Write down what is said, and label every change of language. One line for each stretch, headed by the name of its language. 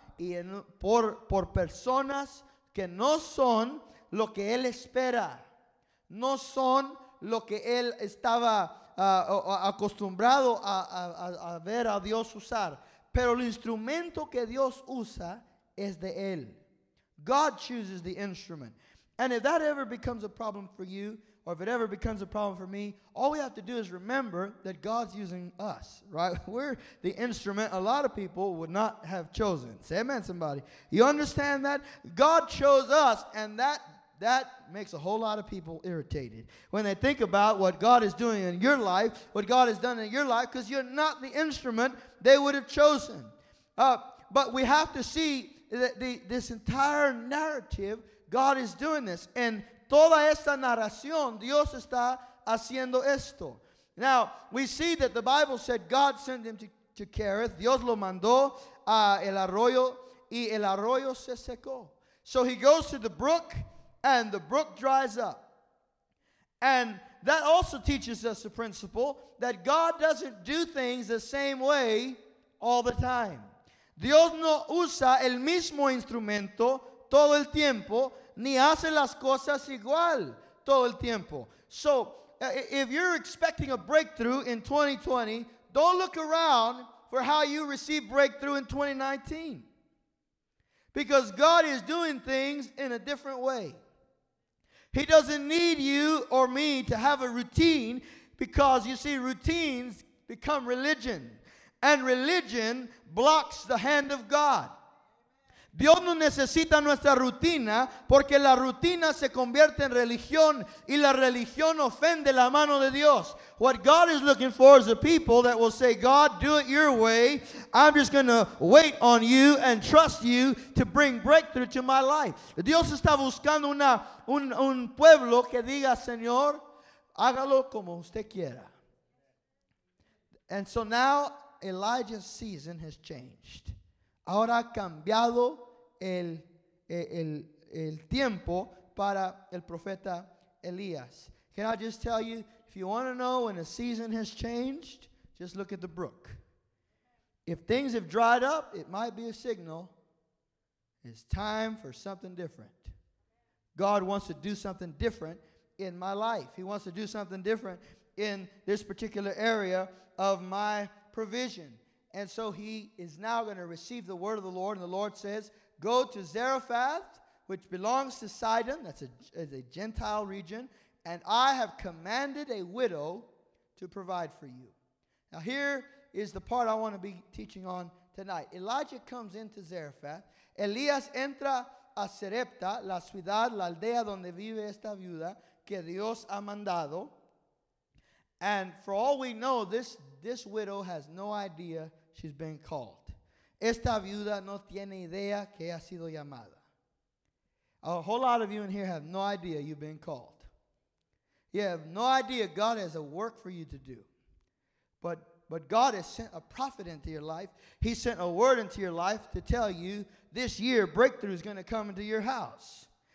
Spanish: y en, por personas que no son lo que él espera, no son lo que él estaba acostumbrado a ver a Dios usar. Pero el instrumento que Dios usa es de él.
English: God chooses the instrument. And if that ever becomes a problem for you, or if it ever becomes a problem for me, all we have to do is remember that God's using us, right? We're the instrument a lot of people would not have chosen. Say amen, somebody. You understand that? God chose us, and that makes a whole lot of people irritated when they think about what God is doing in your life, what God has done in your life, because you're not the instrument they would have chosen. But we have to see that this entire narrative, God is doing this.
Spanish: And toda esta narración, Dios está haciendo esto.
English: Now, we see that the Bible said God sent him to Kereth.
Spanish: Dios lo mandó a el arroyo, y el arroyo se secó.
English: So he goes to the brook, and the brook dries up. And that also teaches us the principle that God doesn't do things the same way all the time.
Spanish: Dios no usa el mismo instrumento todo el tiempo, ni hace las cosas igual todo el tiempo.
English: So, if you're expecting a breakthrough in 2020, don't look around for how you receive breakthrough in 2019. Because God is doing things in a different way. He doesn't need you or me to have a routine, because you see, routines become religion. And religion blocks the hand of God.
Spanish: Dios no necesita nuestra rutina, porque la rutina se convierte en religión, y la religión ofende la mano de Dios.
English: What God is looking for is a people that will say, God, do it your way. I'm just going to wait on you and trust you to bring breakthrough to my life.
Spanish: Dios está buscando un pueblo que diga, Señor, hágalo como usted quiera.
English: And so now Elijah's season has changed.
Spanish: Ahora ha cambiado el tiempo para el profeta Elías.
English: Can I just tell you, if you want to know when a season has changed, just look at the brook. If things have dried up, it might be a signal. It's time for something different. God wants to do something different in my life. He wants to do something different in this particular area of my provision. And so he is now going to receive the word of the Lord. And the Lord says, go to Zarephath, which belongs to Sidon. That's a Gentile region. And I have commanded a widow to provide for you. Now here is the part I want to be teaching on tonight. Elijah comes into Zarephath.
Spanish: Elías entra a Sarepta, la ciudad, la aldea donde vive esta viuda que Dios ha mandado.
English: And for all we know, this widow has no idea she's been called.
Spanish: Esta viuda no tiene idea que ha sido llamada.
English: A whole lot of you in here have no idea you've been called. You have no idea God has a work for you to do. But God has sent a prophet into your life. He sent a word into your life to tell you this year breakthrough is going to come into your house.